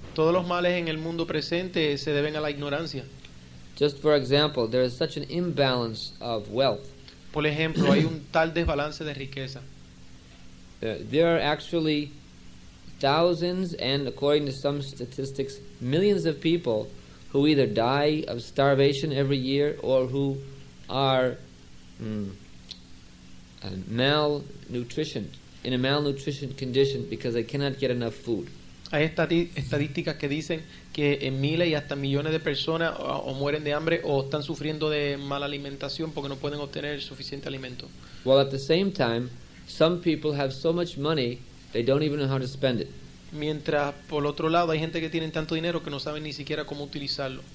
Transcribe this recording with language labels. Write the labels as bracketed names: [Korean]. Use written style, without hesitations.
[Spanish] Todos los males en el mundo presente se deben a la ignorancia. [English] Just for example, there is such an imbalance of wealth. [Spanish] Por ejemplo, hay un tal desbalance de riqueza. [English] There are actually thousands and, according to some statistics, millions of people who either die of starvation every year or who are in a malnutrition condition because they cannot get enough food. [Spanish] Hay estadísticas que dicen que en miles y hasta millones de personas o mueren de hambre o están sufriendo de mala alimentación porque no pueden obtener suficiente alimento. [English] While at the same time, some people have so much money they don't even know how to spend it. [Spanish] Mientras por otro lado hay gente que tiene tanto dinero que no saben ni siquiera cómo utilizarlo.